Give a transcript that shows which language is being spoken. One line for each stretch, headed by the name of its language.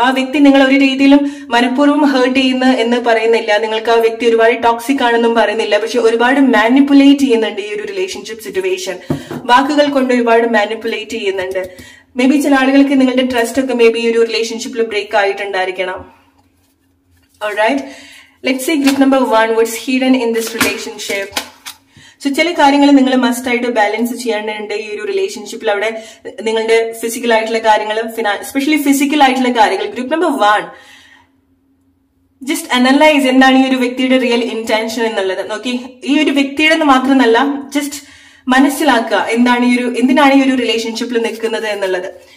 Malayalam: ആ വ്യക്തി നിങ്ങൾ ഒരു രീതിയിലും മനഃപൂർവ്വം ഹേർട്ട് ചെയ്യുന്ന എന്ന് പറയുന്നില്ല, നിങ്ങൾക്ക് ആ വ്യക്തി ഒരുപാട് ടോക്സിക് ആണെന്നും പറയുന്നില്ല, പക്ഷെ ഒരുപാട് മാനിപ്പുലേറ്റ് ചെയ്യുന്നുണ്ട് ഈ ഒരു റിലേഷൻഷിപ്പ് സിറ്റുവേഷൻ. വാക്കുകൾ കൊണ്ട് ഒരുപാട് മാനിപ്പുലേറ്റ് ചെയ്യുന്നുണ്ട്. മേ ബി ചില ആളുകൾക്ക് നിങ്ങളുടെ ട്രസ്റ്റ് ഒക്കെ മേ ബി ഈ ഒരു റിലേഷൻഷിപ്പിൽ break ആയിട്ടുണ്ടായിരിക്കണം.
English: Alright, let's see group number one, what's hidden in this relationship.
Malayalam: So ചില കാര്യങ്ങൾ നിങ്ങൾ മസ്റ്റായിട്ട് ബാലൻസ് ചെയ്യേണ്ടതുണ്ട് ഈ ഒരു റിലേഷൻഷിപ്പിൽ. അവിടെ നിങ്ങളുടെ ഫിസിക്കൽ ആയിട്ടുള്ള കാര്യങ്ങളും സ്പെഷ്യലി ഫിസിക്കൽ ആയിട്ടുള്ള കാര്യങ്ങൾ. Group number one, just analyse എന്താണ് ഈ ഒരു വ്യക്തിയുടെ റിയൽ ഇന്റൻഷൻ എന്നുള്ളത്. ഓക്കെ, ഈ ഒരു വ്യക്തിയുടെ മാത്രമല്ല, ജസ്റ്റ് മനസ്സിലാക്കുക എന്താണ് ഈ ഒരു, എന്തിനാണ് ഈ ഒരു റിലേഷൻഷിപ്പിൽ നിൽക്കുന്നത് എന്നുള്ളത്.